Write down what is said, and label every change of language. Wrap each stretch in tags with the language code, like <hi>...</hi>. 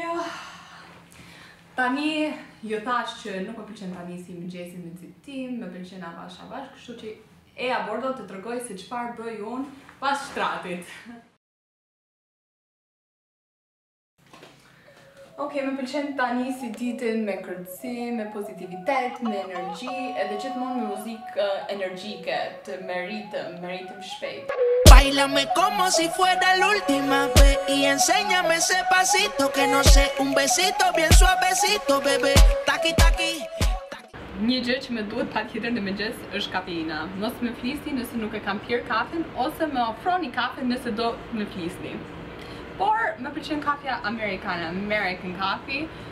<sq>Okay. Tani ju thash që nuk më pëlqen tani si mëngjesin me citim, më pëlqen avash avash, kështu që e abordo të tregoj se çfarë bëj un pas shtratit. Okej, okay, më pëlqen tani si ditën me kërcim, me pozitivitet, me energji, edhe gjithmonë me muzikë energjike, të me ritëm shpejt.</sq> <es>Bailame como si fuera la última vez y enséñame ese pasito que no sé, un besito bien suavecito, bebé. Taki taki.</es> <sq>Një gjë që më duhet patjetër në mëngjes është kafeina. Mos më flisni nëse nuk e kam pirë kafen ose më ofroni kafen nëse do më flisni. Por, më pëlqen kafja amerikana,</sq> <en>American coffee.</en>